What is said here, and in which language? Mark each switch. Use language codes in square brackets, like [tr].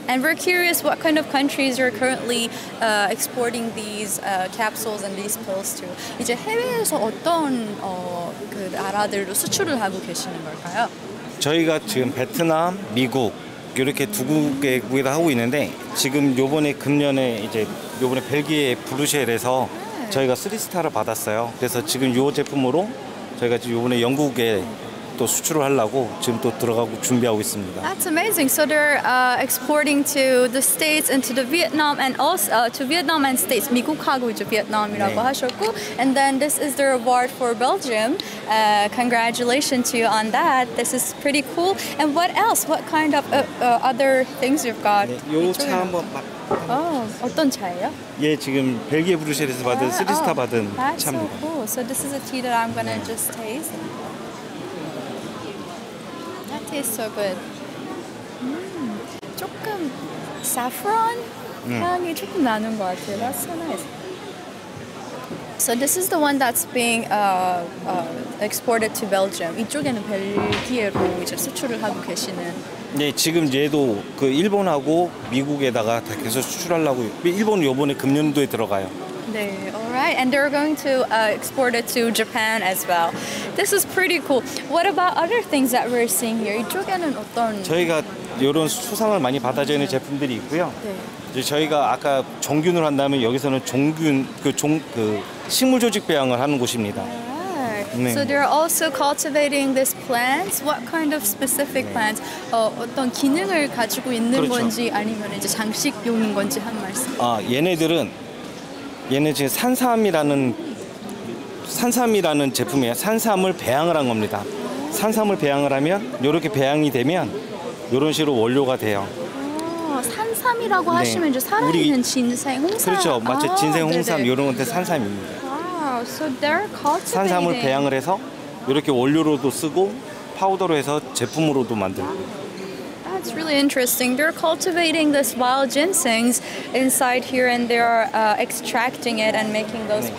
[en] And we're curious what kind of countries are currently exporting these capsules and these pills to. [ko] 이제 해외에서 어떤 그 나라들로 수출을 하고 계시는 걸까요? 저희가 지금 베트남, 미국 이렇게 두 개국에다 하고 있는데 지금 요번에 금년에 이제 요번에 벨기에 브뤼셀에서 저희가 3스타를 받았어요. 그래서 지금 요 제품으로 저희가 요번에 영국에 또 수출을 하려고 지금 또 들어가고 준비하고 있습니다. [en] That's amazing. So they're exporting to the States and to the Vietnam and also to Vietnam and States. [ko] 미국하고 이제 베트남이라고 네. 하셨고 [en] and then this is their award for Belgium. Congratulations to you on that. This is pretty cool. And what else? What kind of other things you've got? [ko] 네, 요 차 한번 봐. 어떤 차예요? 예, 지금 벨기에 브뤼셀에서 받은 3스타 받은 [en] that's [ko] 차입니다. [en] That's so cool. So this is a tea that I'm gonna 네. just taste. That tastes so good. [ko] 조금 saffron 향이 조금 나는 것 같아요. [en] That's so nice. So this is the one that's being exported to Belgium. [ko] 이쪽에는 벨기에로 이제 수출을 하고 계시는. 네, 지금 얘도 그 일본하고 미국에다가 다 계속 수출하려고. 일본 이번에 금년도에 들어가요. 네, alright. [en] And they're going to export it to Japan as well. This is pretty cool. What about other things that we're seeing here? [ko] 이쪽에는 어떤? 저희가 이런 수상을 많이 받아져 있는 제품들이 있고요. 네. 저희가 아까 종균을 한다면 여기서는 종균 식물 조직 배양을 하는 곳입니다. [en] 네. So they're also cultivating these plants. What kind of specific 네. plants? [ko] 어떤 기능을 가지고 있는 그렇죠. 건지 아니면 이제 장식용인 건지 한 말씀. 아 얘네들은 얘네 지금 산삼이라는 제품이에요. 산삼을 배양을 한 겁니다. 산삼을 배양을 하면 이렇게 배양이 되면 이런 식으로 원료가 돼요. 산삼이라고 네. 하시면 이제 살아있는 진생 홍삼. 그렇죠. 맞죠. 진생 홍삼 네네. 이런 건데 산삼입니다. [en] So they're cultivating. [ko] 산삼을 배양을 해서 이렇게 원료로도 쓰고 파우더로 해서 제품으로도 만들고. [en] That's really interesting. They're cultivating this wild ginseng inside here, and they are extracting it and making those 네.